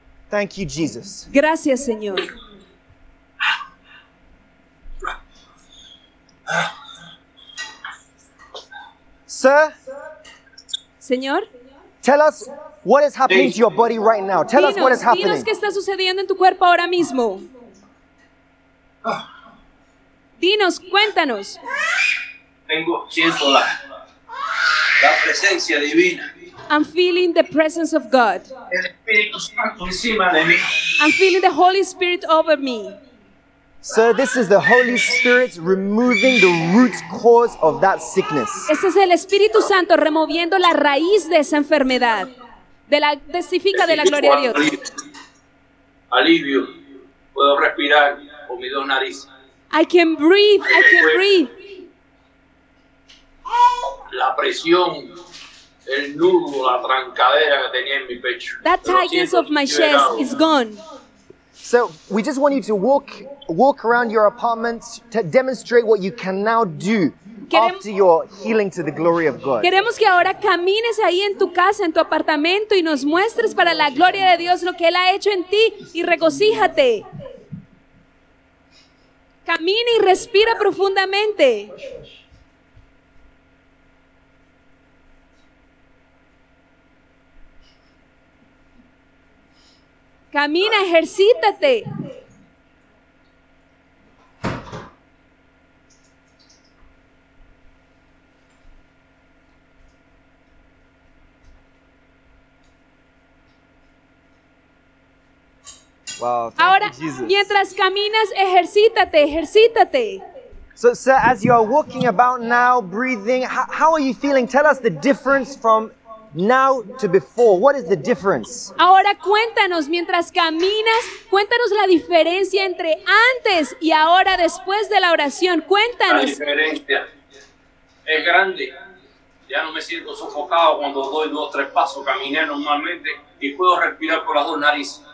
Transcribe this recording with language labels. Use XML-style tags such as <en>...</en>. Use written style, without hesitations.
<en>Thank you, Jesus.</en> <es>Gracias, Señor.</es> <en>Sir,</en> <es>Señor,</es> <en>tell us what is happening to your body right now. Tell us what is happening.</en> <es>Dinos qué está sucediendo en tu cuerpo ahora mismo. Dinos, cuéntanos. Tengo, siento la presencia divina.</es> <en>I'm feeling the presence of God.</en> <es>El Espíritu Santo encima de mí.</es> <en>I'm feeling the Holy Spirit over me. So this is the Holy Spirit removing the root cause of that sickness.</en> <es>Este es el Espíritu Santo removiendo la raíz de esa enfermedad. De la testifica de la gloria de Dios. Alivio. Puedo respirar con mis dos narices.</es> <en>I can breathe. I can breathe.</en> <es>La presión, el nudo, la trancadera que tenía en mi pecho.</es> <en>That tightness of my chest is gone. So we just want you to walk around your apartment to demonstrate what you can now do after your healing to the glory of God.</en> <es>Queremos que ahora camines ahí en tu casa, en tu apartamento, y nos muestres para la gloria de Dios lo que Él ha hecho en ti, y regocíjate. Camina y respira profundamente. Camina, ejercítate. Wow, ahora,</es> <en>Jesus.</en> <es>Mientras caminas, ejercítate, ejercítate.</es> <en>So, sir, as you are walking about now, breathing, how are you feeling? Tell us the difference from now to before. What is the difference?</en> <es>Ahora, cuéntanos, mientras caminas, cuéntanos la diferencia entre antes y ahora después de la oración. Cuéntanos. La diferencia es grande. Ya no me siento sofocado cuando doy dos, tres pasos, caminé normalmente y puedo respirar por las dos narices.</es>